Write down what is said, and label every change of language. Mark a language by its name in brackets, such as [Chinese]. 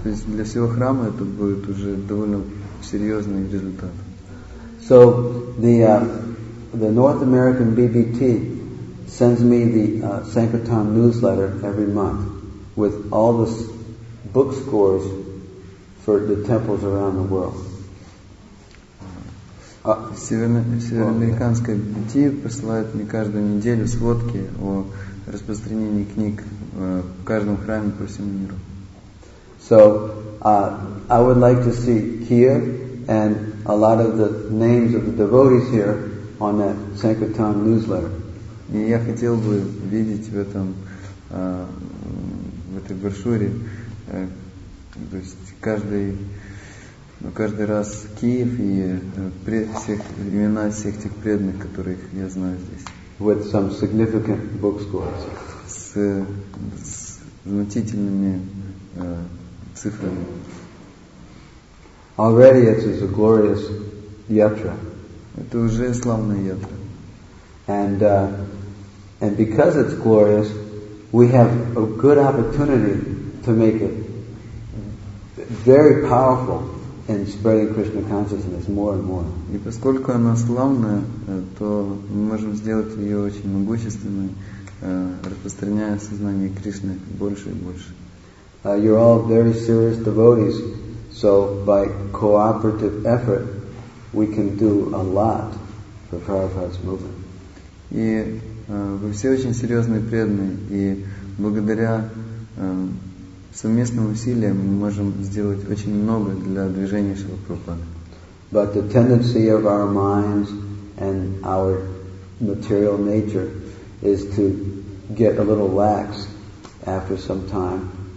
[Russian] То есть для всего храма это будет уже довольно серьезный результат. [English] So the North American BBT sends me the Sankirtan newsletter every month with all the book scores for the temples around the world. [Russian] Североамериканская BBT присылает мне каждую неделю сводки о распространении книг в каждом храме по всему миру. [English] So, I would like to see Kia and a lot of the names of the devotees here on that Sankirtan newsletter. [Russian] И я хотел бы видеть в этом в этой брошюре, то есть каждый. Но каждый раз Киев и всех имена всех тех преданных, которых я знаю здесь. [English] With some significant book scores. [Russian] С значительными цифрами. [English] Already it is a glorious yatra. [Russian] Это уже славная ятра. [English] And because it's glorious, we have a good opportunity to make it very powerful. And spreading Krishna consciousness more and more. [Russian] И поскольку она славная, то мы можем сделать ее очень могущественной, распространяя сознание Кришны больше и больше. [English] You're all very serious devotees, so by cooperative effort, we can do a lot for Prabhupada's movement. [Russian] И вы все очень серьезные преданные, и благодаря совместным усилием мы можем сделать очень много для движения Шрила Прабхупады. [English] But the tendency of our minds and our material nature is to get a little lax after some time.